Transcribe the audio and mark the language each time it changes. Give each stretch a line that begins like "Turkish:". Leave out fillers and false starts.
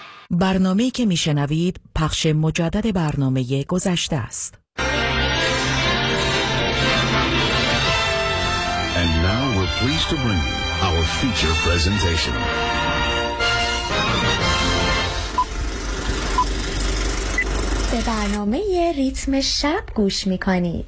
Persian: برنامه‌ای که می‌شنوید پخش مجدد برنامه گذشته است.
English: And now we're pleased to bring you our feature presentation.
Persian: به برنامه ریتم شب گوش می‌کنید.